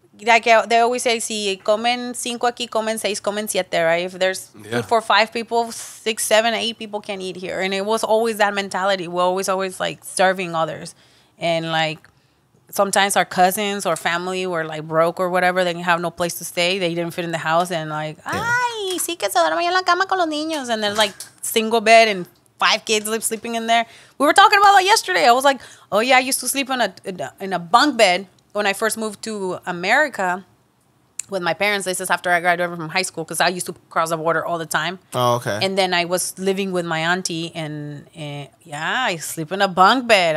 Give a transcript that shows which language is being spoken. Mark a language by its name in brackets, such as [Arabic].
[English] Like they always say, [Spanish] si comen cinco aquí, comen seis, comen siete, [English] right? If there's four, five people, six, seven, eight people can eat here. And it was always that mentality. We're always like serving others. And like sometimes our cousins or family were like broke or whatever. They didn't have no place to stay. They didn't fit in the house. And like, [Spanish] ay, sí que se duerme en la cama con los niños. [English] And there's like single bed and five kids sleeping in there. We were talking about that yesterday. I was like, oh yeah, I used to sleep in a bunk bed. When I first moved to America with my parents, this is after I graduated from high school, because I used to cross the border all the time. Oh, okay. And then I was living with my auntie, and I sleep in a bunk bed.